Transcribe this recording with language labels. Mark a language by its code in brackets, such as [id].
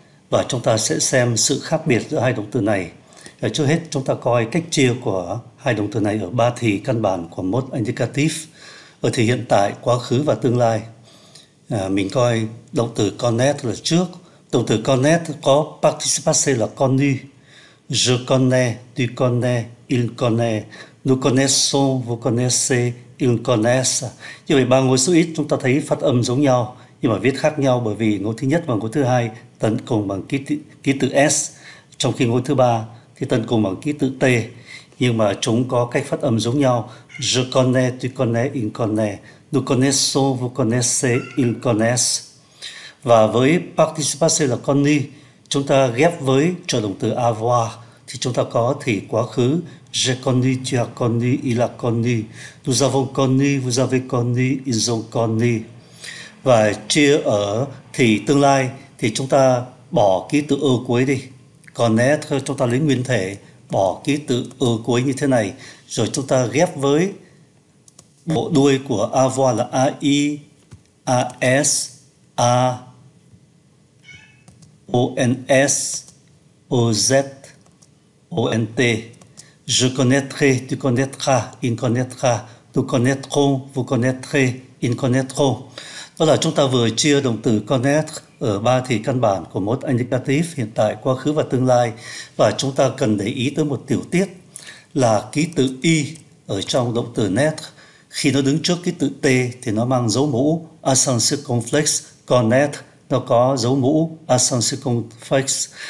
[vi] Và chúng ta sẽ xem sự khác biệt giữa hai động từ này. Trước hết, chúng ta coi cách chia của hai động từ này ở ba thì căn bản của mode indicatif, ở thì hiện tại, quá khứ và tương lai. Mình coi động từ connaître là trước. Động từ connaître có participe passé là connu. [fr] Je connais, tu connais, il connaît. Nous connaissons, vous connaissez, ils connaissent. [vi] Như vậy ba ngôi số ít chúng ta thấy phát âm giống nhau nhưng mà viết khác nhau, bởi vì ngôi thứ nhất và ngôi thứ hai tấn cùng bằng ký tự S, trong khi ngôi thứ ba thì tấn cùng bằng ký tự T, nhưng mà chúng có cách phát âm giống nhau. [fr] Je connais, tu connais, il connaît. Nous connaissons, vous connaissez, ils connaissent. [vi] Và với participe passé là connu, chúng ta ghép với trợ động từ avoir thì chúng ta có thì quá khứ. [fr] J'ai connu, tu as connu, il a connu. Nous avons connu, vous avez connu, ils ont connu. [vi] Và chia ở thì tương lai thì chúng ta bỏ ký tự ơ cuối đi. Connaître chúng ta lấy nguyên thể, bỏ ký tự ơ cuối như thế này. Rồi chúng ta ghép với bộ đuôi của avoir là AI, AS, A, ONS, OZ, ONT. [fr] Je connaîtrai, tu connaîtras, il connaîtra. Nous connaîtrons, vous connaîtrez, ils connaîtront. [vi] Đó là chúng ta vừa chia động từ connaître ở ba thì căn bản của mode indicatif hiện tại, quá khứ và tương lai. Và chúng ta cần để ý tới một tiểu tiết là ký tự Y ở trong động từ naître. Khi nó đứng trước ký tự T thì nó mang dấu mũ accent circonflexe, connaître nó có dấu mũ accent circonflexe.